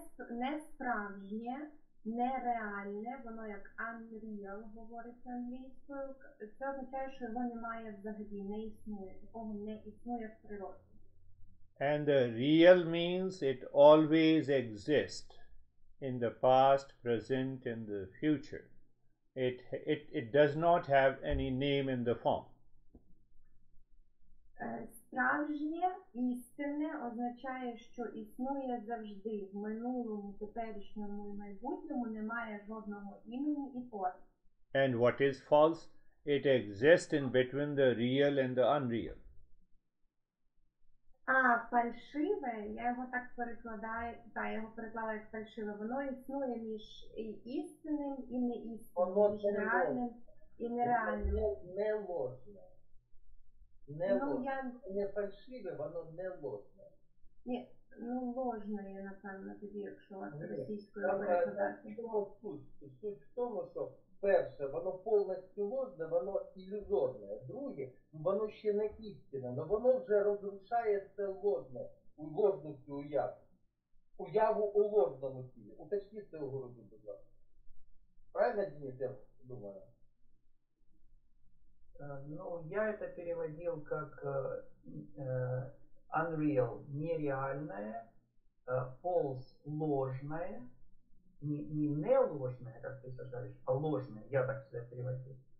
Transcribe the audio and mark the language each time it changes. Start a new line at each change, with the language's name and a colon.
Ukrainian: Несправжнє, нереальне, воно як unreal говорить англійською. Це означає, що його немає взагалі, не існує, такого не існує в природі.
English: And the real means it always exists in the past, present, in the future. It does not have any name in the form.
Ukrainian: Справжнє, істинне означає, що існує завжди в минулому, теперішньому і майбутньому, немає жодного імені і форми.
English: And what is false? It exists in between the real and the unreal.
Ukrainian: А фальшиве, я його так перекладаю, так, я його перекладаю як фальшиве, воно існує між істинним і неістинним, між реальним і нереальним. Не ложне. Не ложне. Не фальшиве, воно не ложне. Ні, ну ложне я, напевно, тоді, якщо вас російською перекладати. Суть в тому, що перше, воно повністю ложне, воно ілюзорне. Друге, воно ще не істинне, але воно вже розрушає це ложне, ложну цю уяву. Уяву у ложному тілі. Уточніть це у городі, будь ласка. Правильно, Денис, я думаю? Ну, я це переводив як unreal, нереальне, false, ложне.
Russian: Не ложное, как ты сказаешь, а ложное, я так себя переводил.